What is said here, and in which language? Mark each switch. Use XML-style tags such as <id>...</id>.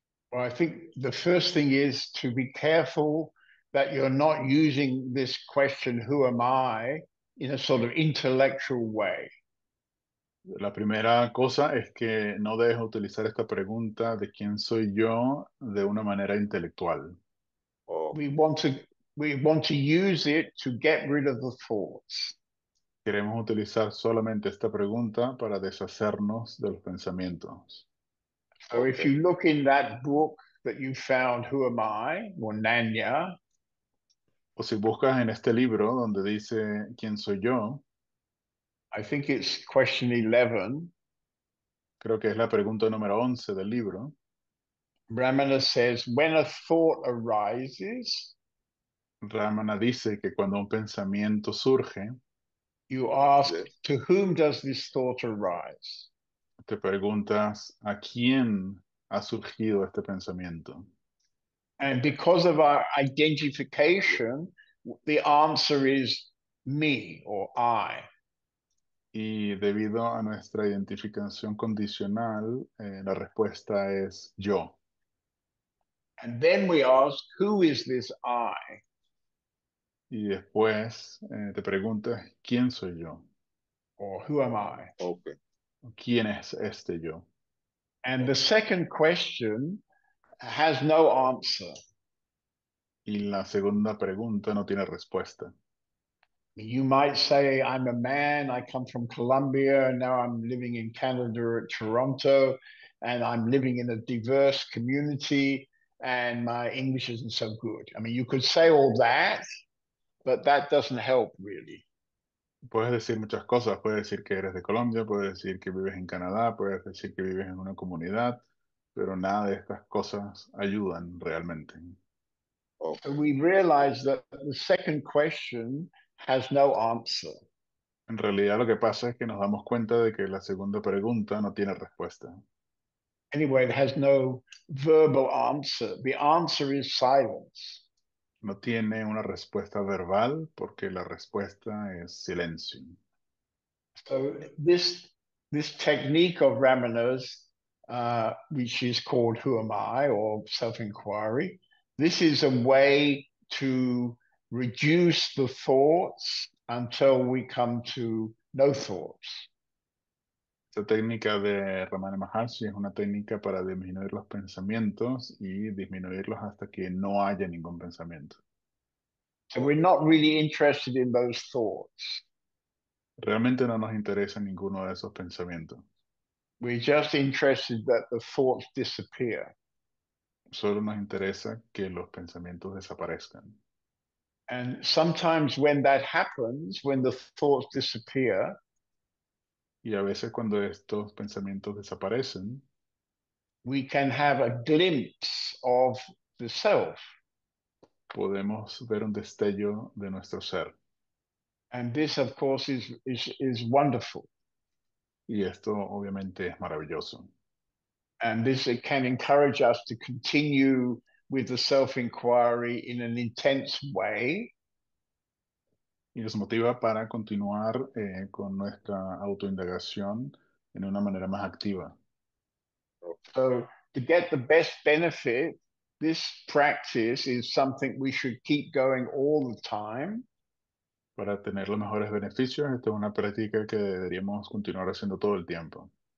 <en>Well, I think the first thing is to be careful that you're not using this question, who am I, in a sort of intellectual way.</en> <es>La primera cosa es que no dejo utilizar esta pregunta de quién soy yo de una manera intelectual.</es> <en>We want to use it to get rid of the thoughts.</en> <es>Queremos utilizar solamente esta pregunta para deshacernos de los pensamientos.</es> <en>So if you look in that book that you found, Who Am I? Or Nanya.</en> <es>O si buscas en este libro donde dice quién soy yo.</es> <en>I think it's question 11.</en> <es>Creo que es la pregunta número 11 del libro.</es> <en>Ramana says, when a thought arises,</en> <es>Ramana dice que cuando un pensamiento surge,</es> <en>you ask, to whom does this thought arise?</en> <es>Te preguntas, ¿a quién ha surgido este pensamiento?</es> <en>And because of our identification, the answer is me or I.</en> <es>Y debido a nuestra identificación condicional, la respuesta es yo.</es> <en>And then we ask, who is this I?</en> <es>Y después te preguntas, ¿quién soy yo?</es> <en>Or who am I? Okay.</en> <es>¿Quién es este yo?</es> <en>And the second question has no answer.</en> <es>Y la segunda pregunta no tiene respuesta.</es> <en>You might say, I'm a man, I come from Colombia, and now I'm living in Canada or Toronto, and I'm living in a diverse community, and my English isn't so good. I mean, you could say all that, but that doesn't help, really.</en> <es>Puedes decir muchas cosas. Puedes decir que eres de Colombia, puedes decir que vives en Canadá, puedes decir que vives en una comunidad, pero nada de estas cosas ayudan realmente.</es> <en>And we realize that the second question has no answer.</en> <es>En realidad lo que pasa es que nos damos cuenta de que la segunda pregunta no tiene respuesta.</es> <en>Anyway, it has no verbal answer. The answer is silence.</en> <es>No tiene una respuesta verbal porque la respuesta es silencio.</es> <en>So this technique of Ramana's, which is called Who Am I or Self-Inquiry, this is a way to reduce the thoughts until we come to no thoughts.</en> <es>Esta técnica de Ramana Maharshi es una técnica para disminuir los pensamientos y disminuirlos hasta que no haya ningún pensamiento.</es> <en>So we're not really interested in those thoughts.</en> <es>Realmente no nos interesa ninguno de esos pensamientos.</es> <en>We're just interested that the thoughts disappear.</en> <es>Solo nos interesa que los pensamientos desaparezcan.</es> <en>And sometimes when that happens, when the thoughts disappear,</en> <es>y a veces cuando estos pensamientos desaparecen,</es> <en>we can have a glimpse of the self.</en> <es>Podemos ver un destello de nuestro ser.</es> <en>And this, of course, is wonderful.</en> <es>Y esto obviamente es maravilloso.</es> <en>And this can encourage us to continue with the self-inquiry in an intense way.</en> <es>Y nos motiva para continuar con nuestra autoindagación en una manera más activa.</es> <en>So, to get the best benefit, this practice is something we should keep going all the time.</en> <es>Para tener los mejores beneficios, esta es una práctica que deberíamos continuar haciendo todo el tiempo.</es>